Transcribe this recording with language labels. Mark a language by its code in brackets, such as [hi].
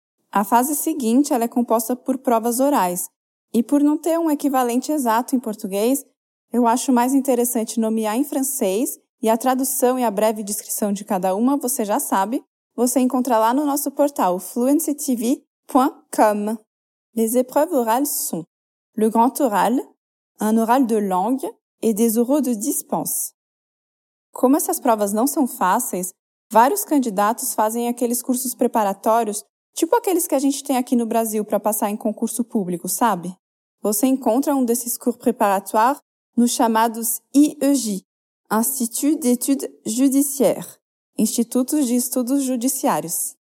[pt] A fase seguinte ela é composta por provas orais, e por não ter um equivalente exato em português, eu acho mais interessante nomear em francês, e a tradução e a breve descrição de cada uma, você já sabe, você encontra lá no nosso portal, fluentctv.com. [fr] Les épreuves orales sont le grand oral, un oral de langue et des oraux de dispense. [pt] Como essas provas não são fáceis, vários candidatos fazem aqueles cursos preparatórios, tipo aqueles que a gente tem aqui no Brasil para passar em concurso público, sabe? Você encontra um desses cours préparatoires nos chamados IEJ, [fr] Institut d'études judiciaires, [pt] Institutos de Estudos Judiciários.